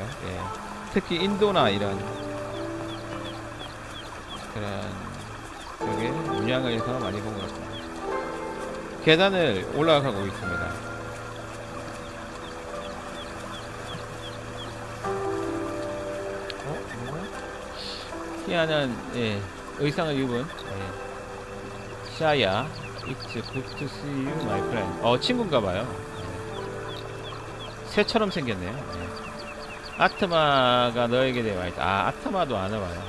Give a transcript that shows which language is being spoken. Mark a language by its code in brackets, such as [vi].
[ko] 예, 특히 인도나 이런 그런 문양을 해서 많이 본 것 같습니다. 계단을 올라가고 있습니다. 희한한 예, 의상을 입은 예. 샤야. [en] It's good to see you, my friend. [ko] 어, 친구인가 봐요. 새처럼 생겼네요. 예. 아트마가 너에게 대해 말했다. 아, 아트마도 아나 봐요.